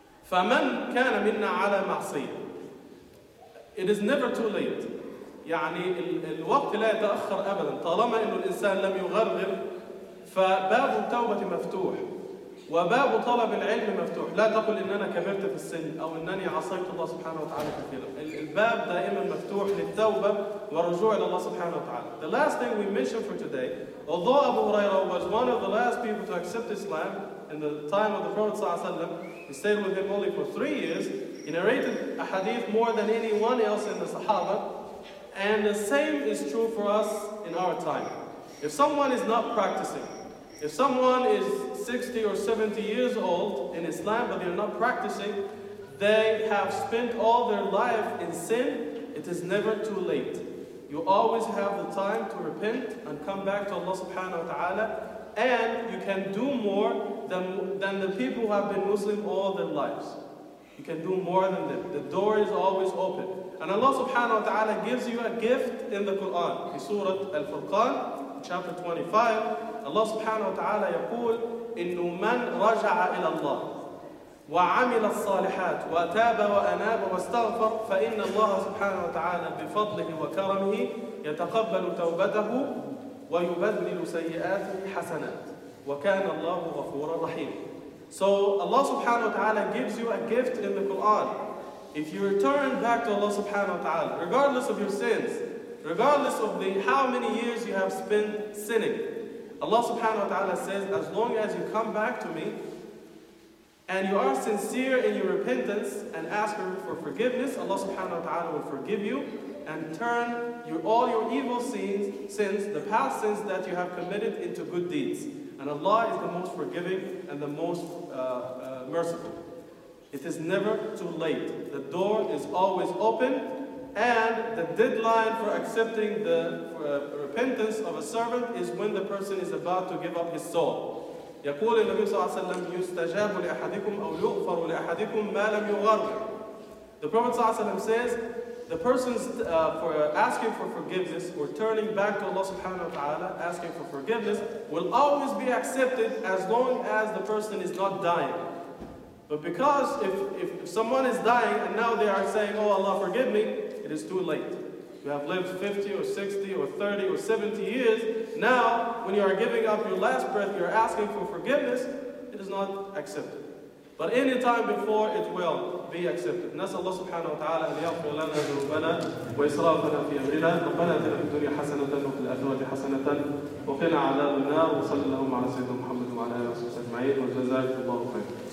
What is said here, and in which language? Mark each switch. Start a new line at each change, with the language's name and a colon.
Arabic: فمن كان منا على معصية،
English: it is never too late،
Arabic: يعني الوقت لا يتأخر أبدا طالما أن الإنسان لم يغرغر. فباب التوبة مفتوح وباب طلب العلم مفتوح. لا تقل إن أنا كبرت في السن أو إنني عصيت الله سبحانه وتعالى كثيرا. الباب دائما مفتوح للتوبة والرجوع إلى الله سبحانه وتعالى.
English: The last thing we mentioned for today, although Abu Huraira was one of the last people to accept Islam in the time of the Prophet
Arabic: صلى الله عليه وسلم,
English: he stayed with him only for 3 years, he narrated a hadith more than anyone else in the Sahaba, and the same is true for us in our time. If someone is not practicing, if someone is 60 or 70 years old in Islam but they're not practicing, they have spent all their life in sin, it is never too late. You always have the time to repent and come back to Allah subhanahu wa ta'ala and you can do more than the people who have been Muslim all their lives. You can do more than them. The door is always open. And Allah subhanahu wa ta'ala gives you a gift in the Quran. In Surah Al-Furqan, chapter 25, Allah subhanahu wa ta'ala
Arabic: يقول, إِنُّ مَنْ رَجَعَ إِلَى اللَّهِ وَعَمِلَ الصَّالِحَاتِ وَتَابَ وَأَنَابَ وَاسْتَغْفَرَ فَإِنَّ اللَّهَ سُبْحَانَهُ وَتَعَالَى بِفَضْلِهِ وَكَرَمِهِ يَتَقَبَّلُ تَوْبَتَهُ وَيُبَدِّلُ سَيِّئَاتِهِ حَسَنَاتِ وَكَانَ اللَّهُ غَفُورًا رَحِيمًا.
English: So Allah subhanahu wa ta'ala gives you a gift in the Quran. If you return back to Allah subhanahu wa ta'ala, regardless of your sins, regardless of how many years you have spent sinning, Allah subhanahu wa ta'ala says, as long as you come back to me and you are sincere in your repentance and ask for forgiveness, Allah subhanahu wa ta'ala will forgive you and turn all your evil sins, the past sins that you have committed, into good deeds. And Allah is the most forgiving and the most merciful. It is never too late. The door is always open, and the deadline for accepting the repentance of a servant is when the person is about to give up his soul.
Arabic: يقول النبي صلى الله عليه وسلم يستجاب لأحدكم أو يغفر لأحدكم ما لم يغرق.
English: The Prophet
Arabic: صلى الله عليه وسلم
English: says, the person's asking for forgiveness or turning back to Allah subhanahu wa ta'ala, asking for forgiveness, will always be accepted as long as the person is not dying. But because if someone is dying and now they are saying, oh Allah forgive me, it is too late. You have lived 50 or 60 or 30 or 70 years. Now, when you are giving up your last breath, you're asking for forgiveness, it is not accepted. But any time before, it will be accepted.
Arabic: نسأل الله سبحانه وتعالى أن يغفر لنا ذنوبنا وإسرافنا في أمرنا ربنا آتنا في الدنيا حسنة وفي الآخرة حسنة وقنا عذاب النار وصلى اللهم على سيدنا محمد وعلى آله وصحبه أجمعين وجزاكم الله خيرا.